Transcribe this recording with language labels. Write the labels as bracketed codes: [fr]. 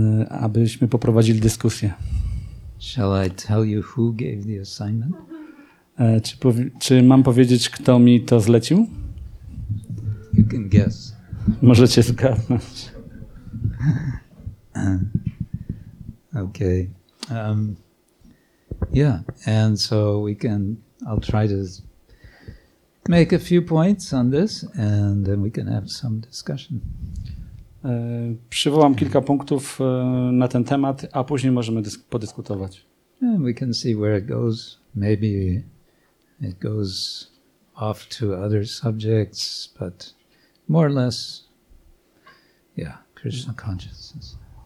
[pl] Abyśmy poprowadzili dyskusję. [en] Shall I tell you who gave the assignment? [pl] Czy mam powiedzieć, kto mi to zlecił? [en] You can guess. [pl] Możecie zgadnąć. [en] Okay. Yeah, and so we can. I'll try to make a few points on this, and then we can have some discussion. [pl] Przywołam kilka punktów na ten temat, a później możemy podyskutować. [en] And we can see where it goes. Maybe it goes off to other subjects, but more or less, yeah, Krishna consciousness.